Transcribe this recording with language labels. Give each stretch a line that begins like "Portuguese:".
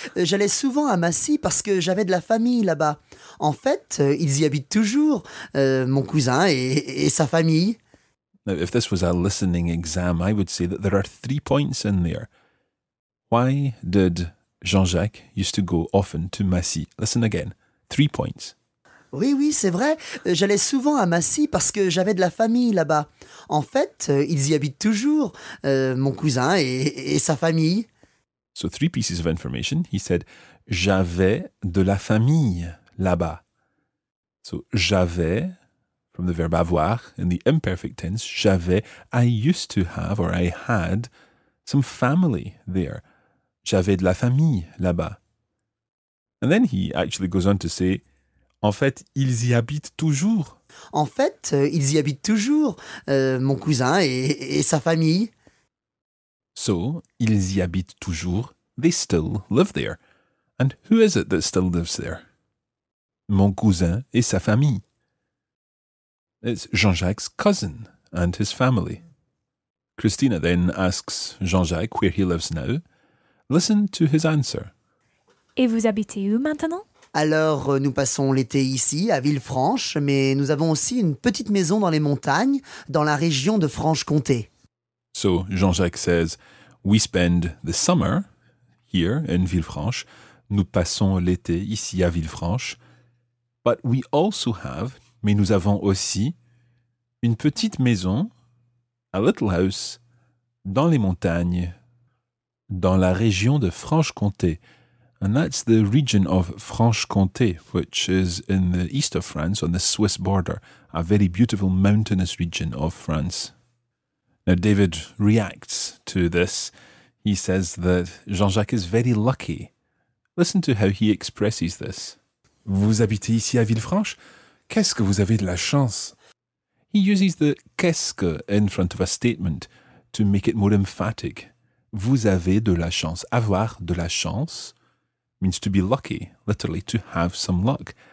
French: J'allais souvent à Massy parce que j'avais de la famille là-bas. En fait, ils y habitent toujours, mon cousin et sa famille.
English: Now, if this was a listening exam, I would say that there are three points in there. Why did Jean-Jacques used to go often to Massy? Listen again. Three points.
French: Oui, oui, c'est vrai. J'allais souvent à Massy parce que j'avais de la famille là-bas. En fait, ils y habitent toujours, mon cousin et sa famille.
English: So three pieces of information. He said,
French: j'avais de la famille là-bas.
English: So j'avais, from the verb avoir, in the imperfect tense, j'avais, I used to have, or I had, some family there.
French: J'avais de la famille là-bas.
English: And then he actually goes on to say,
French: en fait, ils y habitent toujours. En fait, ils y habitent toujours, mon cousin et sa famille.
English: So,
French: ils y habitent toujours.
English: They still live there. And who is it that still lives there?
French: Mon cousin et sa famille.
English: It's Jean-Jacques' cousin and his family. Christina then asks Jean-Jacques where he lives now. Listen to his answer.
French: Et vous habitez où maintenant? Alors, nous passons l'été ici, à Villefranche, mais nous avons aussi une petite maison dans les montagnes, dans la région de Franche-Comté.
English: So, Jean-Jacques says, we spend the summer here in Villefranche.
French: Nous passons l'été ici à Villefranche.
English: But we also have,
French: mais nous avons aussi, une petite maison,
English: a little house,
French: dans les montagnes, dans la région de Franche-Comté.
English: And that's the region of Franche-Comté, which is in the east of France, on the Swiss border, a very beautiful mountainous region of France. Now, David reacts to this. He says that Jean-Jacques is very lucky. Listen to how he expresses this.
French: Vous habitez ici à Villefranche? Qu'est-ce que vous avez de la chance?
English: He uses the
French: qu'est-ce que
English: in front of a statement to make it more emphatic.
French: Vous avez de la chance.
English: Avoir de la chance means to be lucky, literally to have some luck.